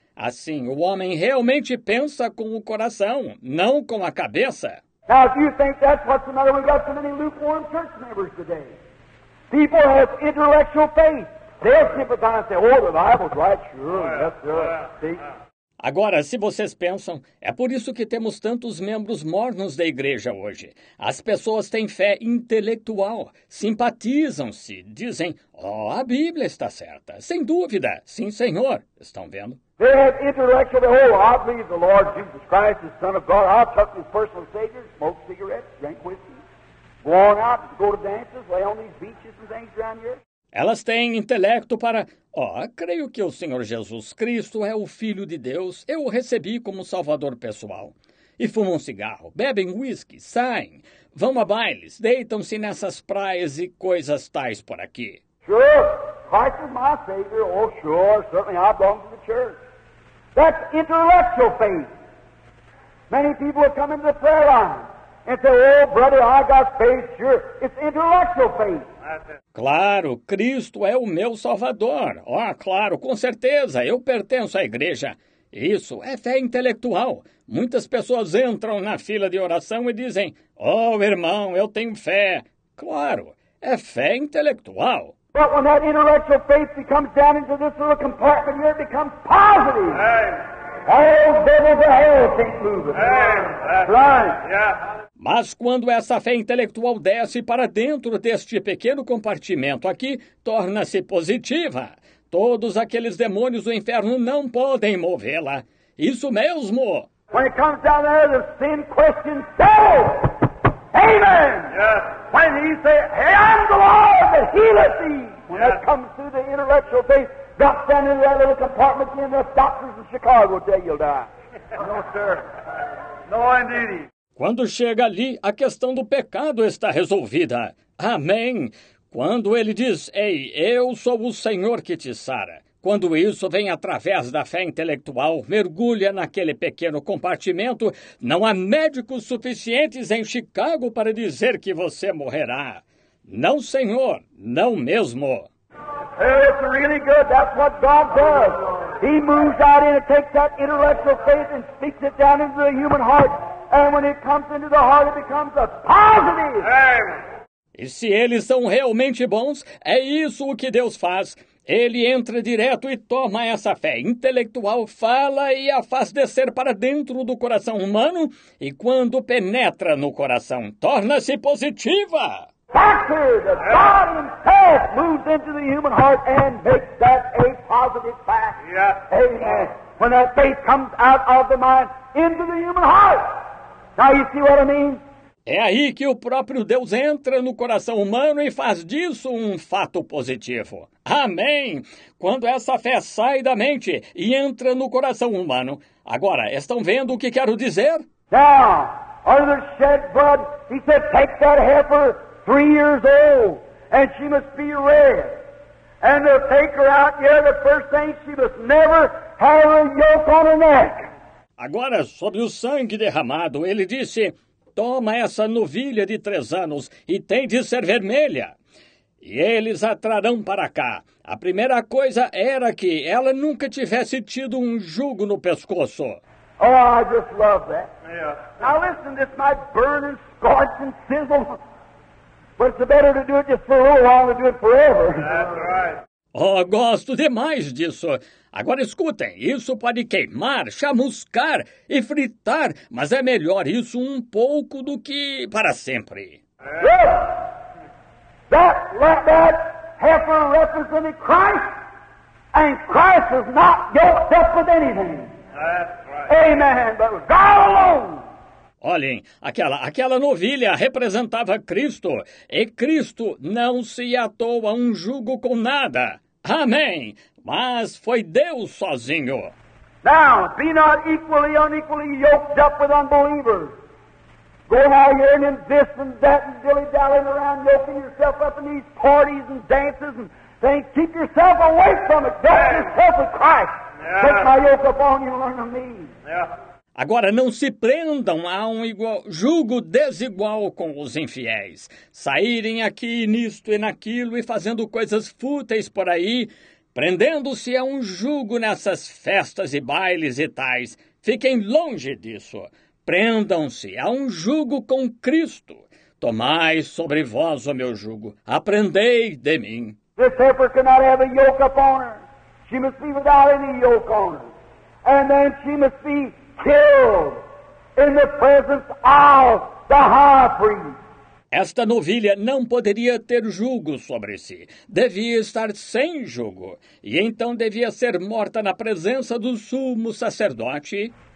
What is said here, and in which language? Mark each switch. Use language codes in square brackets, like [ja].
[pt] Assim, o homem realmente pensa com o coração, não com a cabeça. [en] Now, if you think that's what's the matter, we've got so many lukewarm church members today. People have intellectual faith. They'll sympathize and say, oh, the Bible's right, sure, yes, sir. See? [pt] Agora, se vocês pensam, é por isso que temos tantos membros mornos da igreja hoje. As pessoas têm fé intelectual, simpatizam-se, dizem, oh, a Bíblia está certa, sem dúvida, sim, Senhor, estão vendo? [en] They have intellectual, oh, I believe the Lord Jesus Christ, the Son of God, I took his personal savior, smoke cigarettes, drink whiskey, go on out, go to dances, lay on these beaches and things around here. [pt] Elas têm intelecto para, creio que o Senhor Jesus Cristo é o Filho de Deus, eu o recebi como salvador pessoal. E fumam cigarro, bebem whisky, saem, vão a bailes, deitam-se nessas praias e coisas tais por aqui. [en] Sure, Christ is my Savior, oh sure, certainly I belong to the church. That's intellectual faith. Many people have come into the prayer line and say, oh brother, I got faith, sure, it's intellectual faith. [pt] Claro, Cristo é o meu salvador. Oh, claro, com certeza, eu pertenço à igreja. Isso é fé intelectual. Muitas pessoas entram na fila de oração e dizem, oh, irmão, eu tenho fé. Claro, é fé intelectual. [en] But when that intellectual faith becomes down into this little compartment here, it becomes positive. Hey. All devils of hell can't move it. Right. Yeah. [pt] Mas quando essa fé intelectual desce para dentro deste pequeno compartimento aqui, torna-se positiva. Todos aqueles demônios do inferno não podem movê-la. Isso mesmo! [en] When it comes down there, the sin question, devil! Amen! Yeah. When he says, hey, I'm the Lord that healeth thee! When that comes through the intellectual faith, drop down into that little compartment and the doctors in Chicago will tell you you'll die. No, sir. No, indeed. [pt] Quando chega ali, a questão do pecado está resolvida. Amém. Quando ele diz, ei, eu sou o Senhor que te sara. Quando isso vem através da fé intelectual, mergulha naquele pequeno compartimento, não há médicos suficientes em Chicago para dizer que você morrerá. Não, Senhor, não mesmo. [en] It's really good. That's what God does. He moves out in and takes that intellectual faith and speaks it down into the human heart. And when it comes into the heart, it becomes a positive. Hey. [pt] E se eles são realmente bons, é isso o que Deus faz. Ele entra direto e toma essa fé intelectual, fala e a faz descer para dentro do coração humano. E quando penetra no coração, torna-se positiva. [en] Doctor, the God himself moves into the human heart and makes that a positive fact. Yeah. Amen. When that faith comes out of the mind into the human heart. Now you see what I mean? [pt] É aí que o próprio Deus entra no coração humano e faz disso um fato positivo. Amém! Quando essa fé sai da mente e entra no coração humano. Agora, estão vendo o que quero dizer? [en] Now, under the shed blood, he said, take that heifer, 3 years old, and she must be red. And to take her out, yeah, the first thing, she must never have a yoke on her neck. [pt] Agora, sobre o sangue derramado, ele disse, toma essa novilha de 3 anos e tem de ser vermelha. E eles a trarão para cá. A primeira coisa era que ela nunca tivesse tido um jugo no pescoço. [en] Oh, I just love that. Yeah. Now listen, this might burn and scorch and sizzle, but it's better to do it just for a little while than to do it forever. That's right. [pt] Oh, gosto demais disso. Agora escutem, isso pode queimar, chamuscar e fritar, mas é melhor isso um pouco do que para sempre. [en] Yes. That heifer represented Christ, and Christ is not yoked up with anything. That's right. Amen. But God alone. [pt] Olhem, aquela novilha representava Cristo, e Cristo não se atou a um jugo com nada. Amém! Mas foi Deus sozinho. [en] Now, be not equally unequally yoked up with unbelievers. Go now here and this and that and dilly-dallying around, yoking yourself up in these parties and dances and things. Keep yourself away from it. Don't yourself with Christ. Yeah. Take my yoke upon you and learn of me. Yeah. [pt] Agora, não se prendam a um jugo desigual com os infiéis. Saírem aqui, nisto e naquilo, e fazendo coisas fúteis por aí, prendendo-se a um jugo nessas festas e bailes e tais. Fiquem longe disso. Prendam-se a um jugo com Cristo. Tomai sobre vós o meu jugo. Aprendei de mim. [en] This heifer cannot have a yoke upon her. She must be without any yoke on her. And then she must be killed in the presence of the high priest. [pt] Esta novilha não poderia ter jugo sobre si. Devia estar sem jugo. E então devia ser morta na presença do sumo sacerdote.